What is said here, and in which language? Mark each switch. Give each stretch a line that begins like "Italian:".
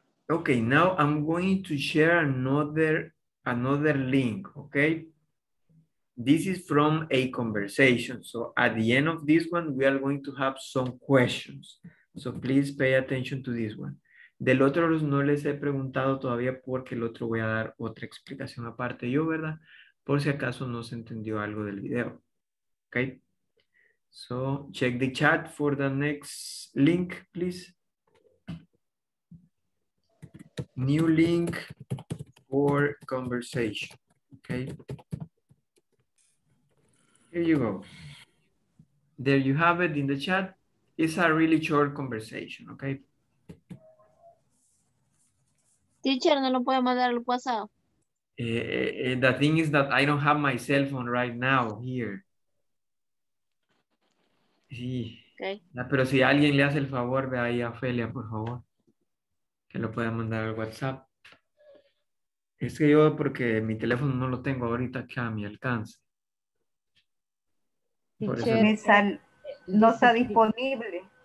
English: Okay, now I'm going to share another link, okay? This is from a conversation. So at the end of this one, we are going to have some questions. So please pay attention to this one.
Spanish: Del otro no les he preguntado todavía porque el otro voy a dar otra explicación aparte yo, ¿verdad? Por si acaso no se entendió algo del video.
English: Okay. So check the chat for the next link, please. new link for conversation. Okay. Here you go. There you have it in the chat. It's a really short conversation, okay?
Spanish: Teacher, no lo puedo mandar al WhatsApp.
English: The thing is that I don't have my cell phone right now here.
Spanish: Sí.
English: Okay.
Spanish: Pero si alguien le hace el favor, ve ahí a Ofelia, por favor. Que lo pueda mandar al WhatsApp. Es que yo, porque mi teléfono no lo tengo ahorita acá a mi alcance. No está disponible.